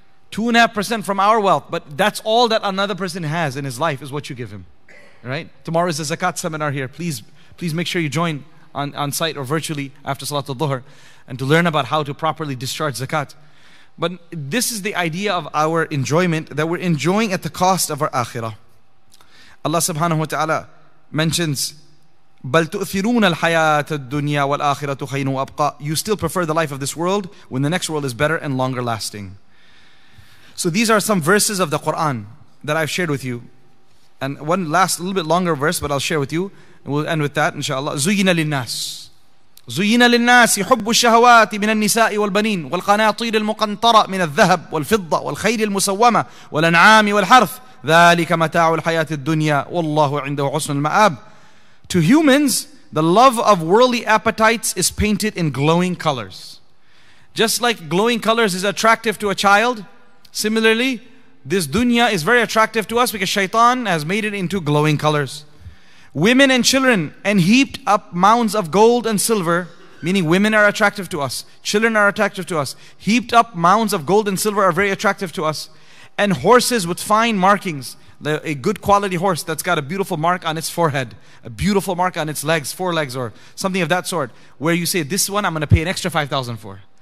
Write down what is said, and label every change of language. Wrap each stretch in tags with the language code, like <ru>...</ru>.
<en>2.5% from our wealth, but that's all that another person has in his life is what you give him. Right? Tomorrow is a zakat seminar here. Please make sure you join on site or virtually after Salatul Dhuhr and to learn about how to properly discharge zakat. But this is the idea of our enjoyment, that we're enjoying at the cost of our akhirah.</en> <ar>Allah subhanahu wa ta'ala mentions, بَلْ تُؤْثِرُونَ الْحَيَاةَ الدُّنْيَا وَالْآخِرَةُ خَيْنُ وَأَبْقَى.</ar> <en>You still prefer the life of this world when the next world is better and longer lasting. So these are some verses of the Quran that I've shared with you. And one last, a little bit longer verse, but I'll share with you. And we'll end with that, inshallah.</en> <ar>زُيِّنَ لِلنَّاسِ زُيِّنَ لِلنَّاسِ حُبُّ الشَّهَوَاتِ مِنَ النِّسَاءِ وَالْبَنِينَ وَالْقَنَاطِيرِ الْمُقَنْطَرَةِ مِنَ الذَّهَبِ وَالْفِضَّةِ وَالْخَيْلِ الْمُسَوَّمَةِ وَالْأَنْعَامِ وَالْحَرْثِ. ذَلِكَ مَتَاعُ الْحَيَاةِ الدُّنْيَا وَاللَّهُ عِنْدَهُ حُسْنُ الْمَآبِ.</ar> <en>To humans, The love of worldly appetites is painted in glowing colors. Just like glowing colors is attractive to a child, similarly, this dunya is very attractive to us because shaitan has made it into glowing colors. Women and children and heaped up mounds of gold and silver, meaning women are attractive to us, children are attractive to us, heaped up mounds of gold and silver are very attractive to us, and horses with fine markings, a good quality horse that's got a beautiful mark on its forehead, a beautiful mark on its legs, forelegs or something of that sort, where you say, this one I'm going to pay an extra 5,000 for.</en>